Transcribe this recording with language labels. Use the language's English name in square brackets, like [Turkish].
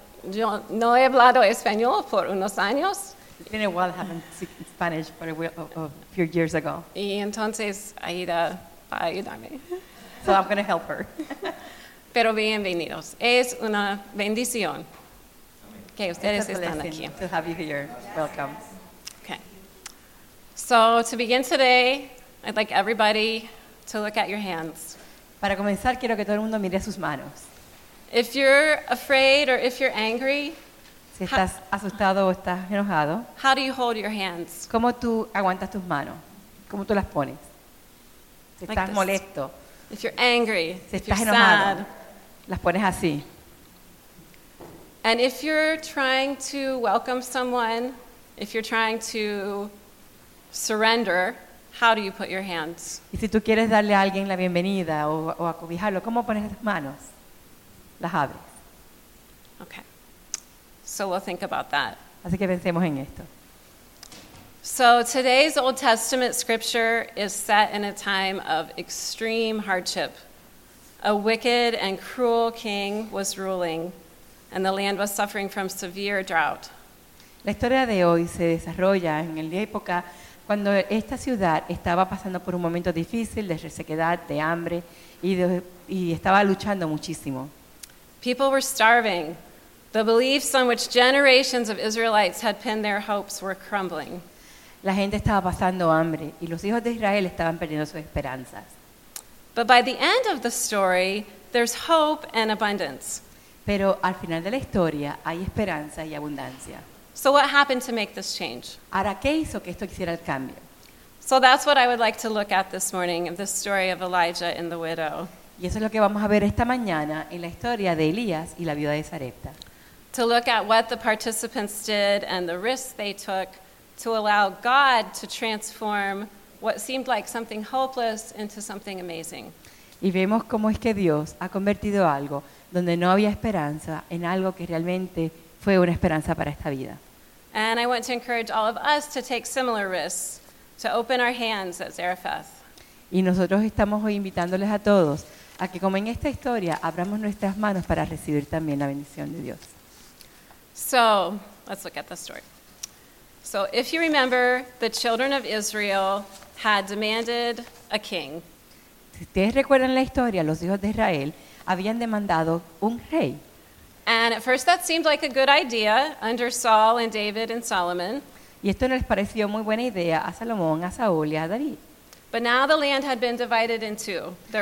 [Spanish] Yo no he hablado español por unos años. [English] It's been a while, I haven't spoken Spanish for a few years ago. [Spanish] Y entonces, Aida, va a ayudarme. [English] So I'm going to help her. [Spanish] Pero bienvenidos. Es una bendición que ustedes están aquí. [English] To have you here. Welcome. Okay. So to begin today, I'd like everybody to look at your hands. [Spanish] Para comenzar, quiero que todo el mundo mire sus manos. [English] If you're afraid or if you're angry, [Spanish] si estás asustado o estás enojado, [English] how do you hold your hands? [Spanish] ¿Cómo tú aguantas tus manos? ¿Cómo tú las pones? Si estás [English] like [Spanish] molesto, [English] if you're angry, [Spanish] si estás [English] if you're [Spanish] enojado, [English] sad. [Spanish] Las pones así. [English] And if you're trying to welcome someone, if you're trying to surrender, how do you put your hands? [Spanish] Y si tú quieres darle a alguien la bienvenida o acobijarlo, ¿cómo pones tus manos? Las abres. [English] Okay. So we'll think about that. [Spanish] Así que pensemos en esto. [English] So today's Old Testament scripture is set in a time of extreme hardship. A wicked and cruel king was ruling, and the land was suffering from severe drought. [Spanish] La historia de hoy se desarrolla en la época cuando esta ciudad estaba pasando por un momento difícil de resequedad, de hambre, y estaba luchando muchísimo. [English] People were starving. The beliefs on which generations of Israelites had pinned their hopes were crumbling. [Spanish] La gente estaba pasando hambre, y los hijos de Israel estaban perdiendo sus esperanzas. [English] But by the end of the story, there's hope and abundance. [Spanish] Pero al final de la historia hay esperanza y abundancia. [English] So what happened to make this change? [Spanish] Ahora, ¿qué hizo que esto hiciera el cambio? [English] So that's what I would like to look at this morning, the story of Elijah and the widow. [Spanish] Y eso es lo que vamos a ver esta mañana en la historia de Elías y la viuda de Sarepta. [English] To look at what the participants did and the risks they took to allow God to transform what seemed like something hopeless into something amazing. [Spanish] Y vemos cómo es que Dios ha convertido algo donde no había esperanza en algo que realmente fue una esperanza para esta vida. [English] And I want to encourage all of us to take similar risks, to open our hands at Zarephath. [Spanish] Y nosotros estamos hoy invitándoles a todos a que como en esta historia abramos nuestras manos para recibir también la bendición de Dios. [English] So, let's look at the story. So, if you remember, the children of Israel had demanded a king. [Spanish] Si ustedes recuerdan la historia, los hijos de Israel habían demandado un rey. [English] And at first that seemed like a good idea under Saul and David and Solomon. [Spanish] Y esto no les pareció muy buena idea a Salomón, a Saúl y a David. [English] But now the land had been divided in two.